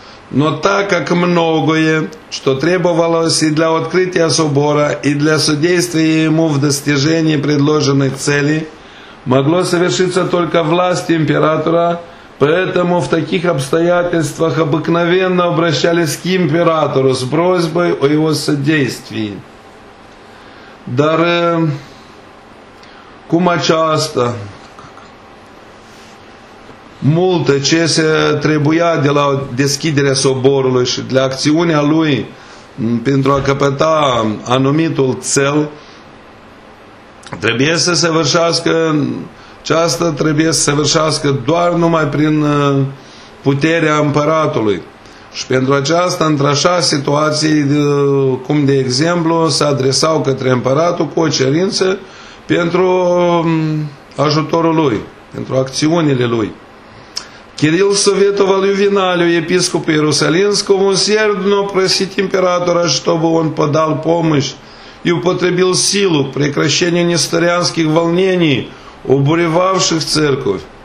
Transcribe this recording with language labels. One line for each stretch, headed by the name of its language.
Russian: Но так как многое, что требовалось и для открытия собора, и для содействия ему в достижении предложенной цели, могло совершиться только власть императора, поэтому в таких обстоятельствах обыкновенно обращались к императору с просьбой о его содействии.
Romanian: Dar cum aceasta, multe ce se trebuia de la deschiderea soborului și de acțiunea lui pentru a căpăta anumitul țel, trebuie să se vârșească aceasta trebuie să se vârșească doar numai prin puterea împăratului. Și pentru aceasta, într-așa situații, cum de exemplu, se adresau către împăratul cu o cerință pentru ajutorul lui, pentru acțiunile lui.
Russian: Кирилл советовал Ювеналию, епископу Иерусалимскому, усердно просить императора, чтобы он подал помощь и употребил силу к прекращению несторианских волнений, обуревавших церковь.